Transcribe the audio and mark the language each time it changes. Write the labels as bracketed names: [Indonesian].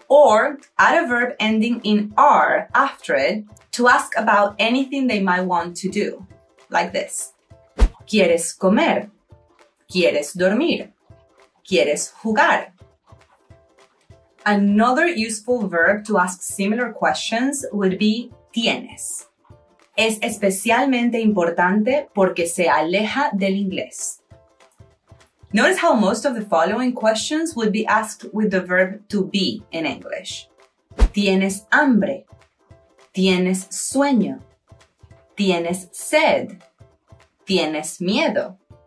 [English] Or add a verb ending in R after it to ask about anything they might want to do. [Spanish] Like this. ¿Quieres comer? ¿Quieres dormir? ¿Quieres jugar? [English] Another useful verb to ask similar questions would be tienes. [Spanish] Es especialmente importante porque se aleja del inglés. [English] Notice how most of the following questions would be asked with the verb to be in English. [Spanish] Tienes hambre. Tienes sueño. Tienes sed. Tienes miedo.